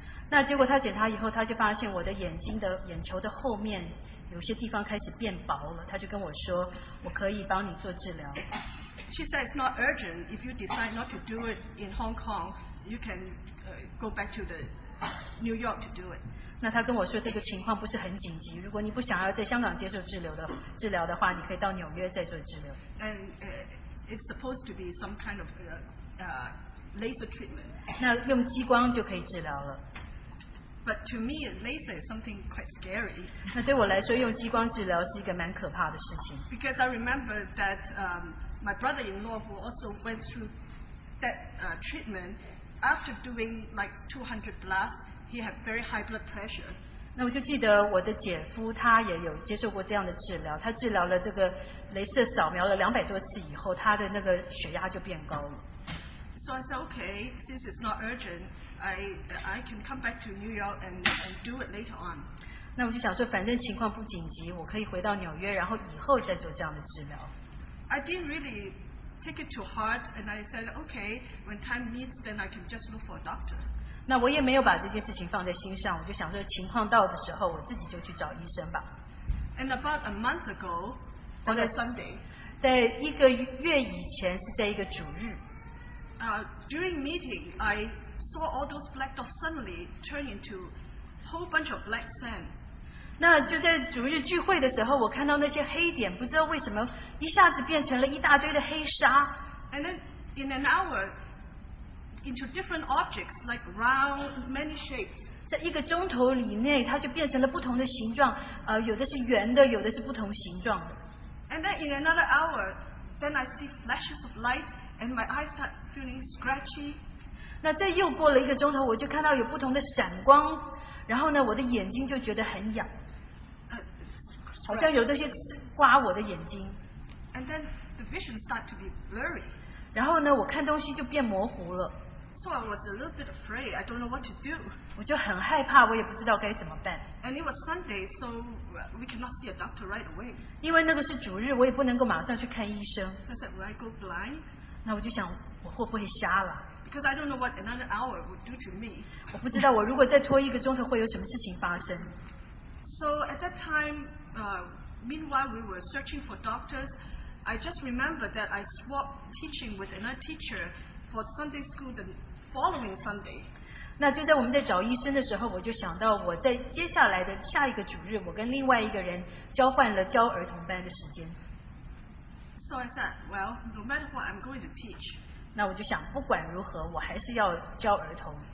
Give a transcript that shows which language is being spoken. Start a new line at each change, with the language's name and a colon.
Chinese: 那结果他检查以后，他就发现我的眼睛的眼球的后面有些地方开始变薄了。他就跟我说，我可以帮你做治疗。
English: She said it's not urgent. If you decide not to do it in Hong Kong, you can go back to the New York to do it.
Chinese: 那他跟我说这个情况不是很紧急。如果你不想要在香港接受治疗的话，你可以到纽约再做治疗。
English: And it's supposed to be some kind of laser treatment.
Chinese: 那用激光就可以治疗了。
English: But to me, laser is something quite scary.
Chinese: 那对我来说，用激光治疗是一个蛮可怕的事情。
English: Because I remember that my brother-in-law who also went through that treatment after doing like 200 blasts. He had very high blood pressure.
Chinese: 那我就记得我的姐夫他也有接受过这样的治疗，他治疗了这个雷射扫描了200多次以后，他的那个血压就变高了。
English: So I said, okay, since it's not urgent, I can come back to New York and do it later on.
Chinese: 那我就想说，反正情况不紧急，我可以回到纽约，然后以后再做这样的治疗。
English: I didn't really take it to heart, and I said, okay, when time meets, then I can just look for a doctor.
Chinese: 那我也没有把这件事情放在心上，我就想说情况到的时候，我自己就去找医生吧。
English: And about a month ago, on a Sunday,
Chinese: 在一个月以前是在一个主日。
English: During meeting, I saw all those black dots suddenly turn into whole bunch of black sand.
Chinese: 那就在主日聚会的时候，我看到那些黑点，不知道为什么一下子变成了一大堆的黑沙。
English: And then in an hour. Into different objects like round, many shapes.
Chinese: 在一个钟头里内，它就变成了不同的形状。有的是圆的，有的是不同形状的。
English: And then in another hour, then I see flashes of light, and my eyes start feeling scratchy.
Chinese: 那再又过了一个钟头，我就看到有不同的闪光，然后呢，我的眼睛就觉得很痒，好像有这些刺刮我的眼睛。
English: And then the vision start to be blurry.
Chinese: 然后呢，我看东西就变模糊了。
English: So I was a little bit afraid. I don't know what to do.
Chinese: 我就很害怕，我也不知道该怎么办。
English: And it was Sunday, so we cannot see a doctor right away.
Chinese: 因为那个是主日，我也不能够马上去看医生。
English: I said, "Will I go blind?"
Chinese: 那我就想，我会不会瞎了
English: ？Because I don't know what another hour would do to me.
Chinese: 我不知道，我如果再拖一个钟头，会有什么事情发生
English: ？So at that time, meanwhile we were searching for doctors. I just remember that I swapped teaching with another teacher for Sunday school the following Sunday.
Chinese: 那就在我们在找医生的时候，我就想到我在接下来的下一个主日，我跟另外一个人交换了教儿童班的时间。
English: So I said, well, no matter what, I'm going to teach.
Chinese: 那我就想，不管如何，我还是要教儿童。